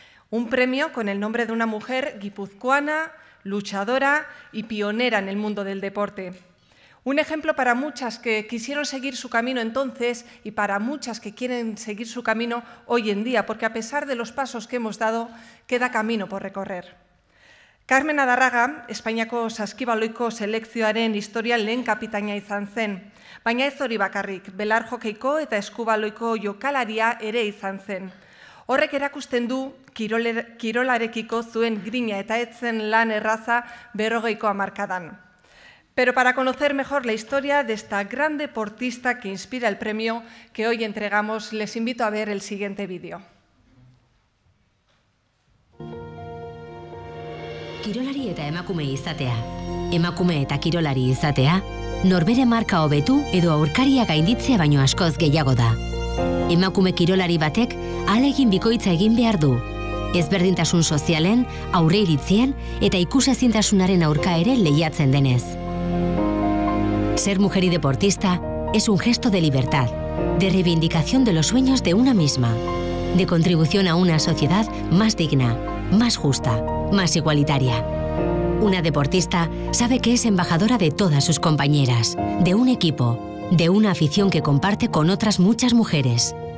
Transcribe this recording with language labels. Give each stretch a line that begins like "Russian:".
Spanish: Un premio con el nombre de una mujer guipuzcoana, luchadora y pionera en el mundo del deporte. Un ejemplo para muchas que quisieron seguir su camino entonces y para muchas que quieren seguir su camino hoy en día, porque a pesar de los pasos que hemos dado, queda camino por recorrer.
Basque: Carmen Nadarraga, Espainiako saskibaloiko selekzioaren historian lehen kapitaina izan zen, baina ez hori bakarrik, belar jokeiko eta eskubaloiko jokalaria ere izan zen. Horrek erakusten du kirolarekiko zuen grina eta etzen lan erraza 40ko hamarkadan.
Spanish: Pero para conocer mejor la historia de esta gran deportista que inspira el premio que hoy entregamos, les invito a ver el siguiente vídeo.
Basque: Kirolari eta emakume izatea. Emakume eta kirolari izatea, norbere marka hobetu edo aurkaria gainditzea baino askoz gehiago da. Emakume kirolari batek ahalegin bikoitza egin behar du. Ezberdintasun sozialen, aurreiritzien eta ikusezintasunaren aurka ere lehiatzen denez.
Spanish: Ser mujer y deportista es un gesto de libertad, de reivindicación de los sueños de una misma, de contribución a una sociedad más digna, más justa, más igualitaria. Una deportista sabe que es embajadora de todas sus compañeras, de un equipo, de una afición que comparte con otras muchas mujeres.